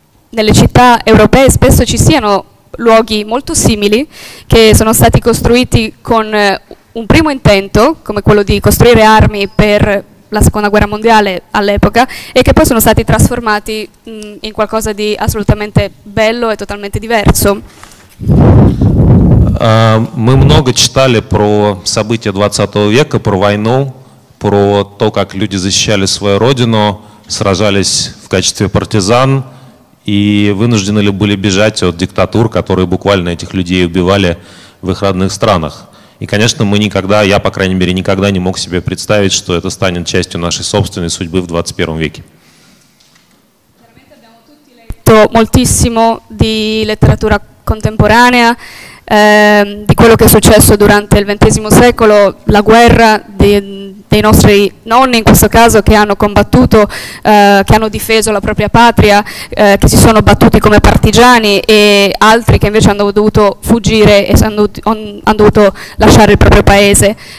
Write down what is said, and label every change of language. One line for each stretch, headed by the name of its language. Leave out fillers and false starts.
Italian: nelle città europee spesso ci siano luoghi molto simili che sono stati costruiti con un primo intento, come quello di costruire armi per la seconda guerra mondiale all'epoca, e che poi sono stati trasformati in qualcosa di assolutamente bello e totalmente diverso.
Russian: Мы много читали про события 20 века, про войну, про то, как люди защищали свою родину, сражались в качестве партизан и вынуждены ли были бежать от диктатур, которые буквально этих людей убивали в их родных странах. И, конечно, мы никогда, я, по крайней мере, никогда не мог себе представить, что это станет частью нашей собственной судьбы в 21 веке.
Italian: То moltissimo di letteratura contemporanea, di quello che è successo durante il XX secolo, la guerra dei nostri nonni in questo caso che hanno combattuto, che hanno difeso la propria patria, che si sono battuti come partigiani e altri che invece hanno dovuto fuggire e hanno dovuto lasciare il proprio paese.